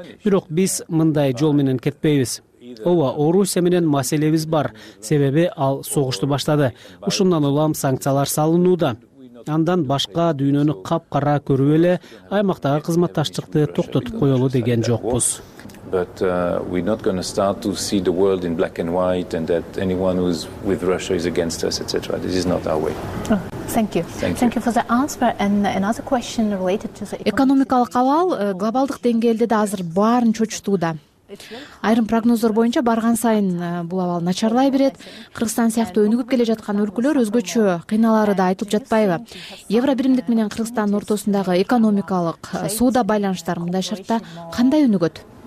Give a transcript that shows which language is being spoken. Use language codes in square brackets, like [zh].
[ky] Бирок биз мындай жол менен кетпейбиз. Ооба, Орусия менен маселебиз бар, себеби ал согушту баштады. Ушундан улам санкциялар салынууда. Андан башка дүйнөнү кап-кара көрүп эле аймактагы кызматташтыкты токтотуп коёлу деген жокпуз. [en] But we're not going to start to see the world in black and white and that anyone who's with Russia is against us, etc. This is not our way. Thank you. Thank you for the answer and another question related to the [ky] экономикалык абал глобалдык деңгээлде да азыр баарын чочутууда. Айрым прогноздор боюнча барган сайын бул абал начарлай берет. Кыргызстан сыяктуу өнүгүп келе жаткан өлкөлөр өзгөчө кыйналары да айтылып жатпайбы? Евробиримдик менен Кыргызстандын ортосундагы экономикалык, соода байланыштар мындай шартта кандай өнүгөт?